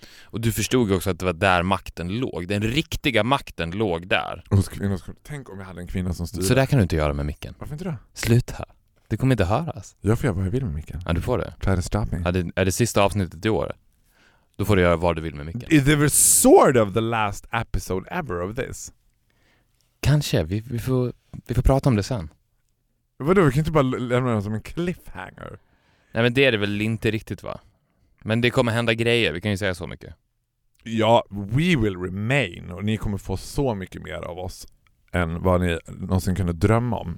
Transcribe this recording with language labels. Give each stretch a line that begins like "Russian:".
Swedish: Och du förstod också att det var där makten låg. Den riktiga makten låg där. Tänk om jag hade en kvinna som styrde. Så där kan du inte göra med micken. Varför inte då? Sluta. Det kommer inte höras. Jag får göra vad jag vill med micken. Ja, du får det.
English: Try to stop me.
Swedish: Ja, är det sista avsnittet i år? Då får du göra vad du vill med micken.
English: It was sort of the last episode ever of this.
Swedish: Kanske, vi får prata om det sen. Vadå, vi kan inte bara lämna den som en cliffhanger. Nej, men det är det väl inte riktigt, va? Men det kommer hända grejer, vi kan ju säga så mycket.
English: Ja, we will remain.
Swedish: Och ni kommer få så mycket mer av oss än vad ni någonsin kunde drömma om.